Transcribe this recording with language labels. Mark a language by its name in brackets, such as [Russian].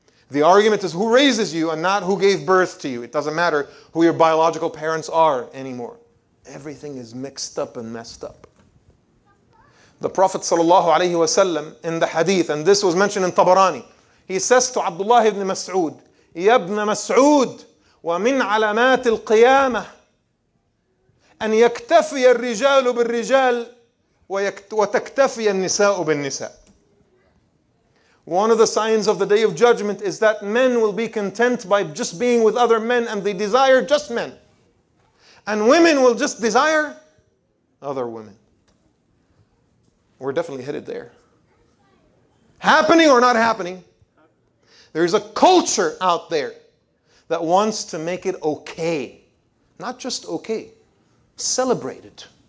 [English] The argument is who raises you and not who gave birth to you. It doesn't matter who your biological parents are anymore. Everything is mixed up and messed up. The Prophet ﷺ in the hadith, and this was mentioned in Tabarani, he says to Abdullah ibn Mas'ud, [Arabic] يَبْنَ مَسْعُودِ وَمِنْ عَلَمَاتِ الْقِيَامَةِ أن يكتفي الرجال بالرجال وتكتفي النساء بالنساء. [English] One of the signs of the Day of Judgment is that men will be content by just being with other men, and they desire just men. And women will just desire other women. We're definitely headed there. Happening or not happening? There is a culture out there that wants to make it okay. Not just okay. Celebrate it.